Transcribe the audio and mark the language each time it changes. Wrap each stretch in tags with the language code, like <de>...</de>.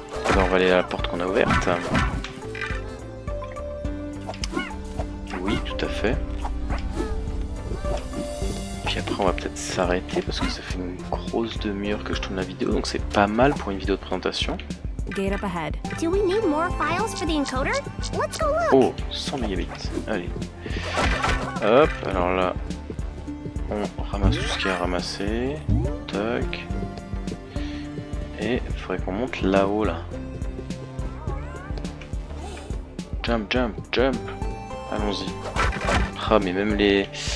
<fr>Alors, on va aller à la porte qu'on a ouverte. Oui, tout à fait. Après on va peut-être s'arrêter parce que ça fait une grosse demi-heure que je tourne la vidéo, donc c'est pas mal pour une vidéo de présentation.</fr> <en>Gate up ahead. Do we need more files for the encoder? Let's go look.</en> <fr>Oh, 100 mégabits. Allez. Hop, alors là, on ramasse tout ce qu'il y a à ramasser. Tac. Et il faudrait qu'on monte là-haut, là.</fr> <en>Jump, jump, jump.</en> <fr>Allons-y. Ah, mais même les...</fr>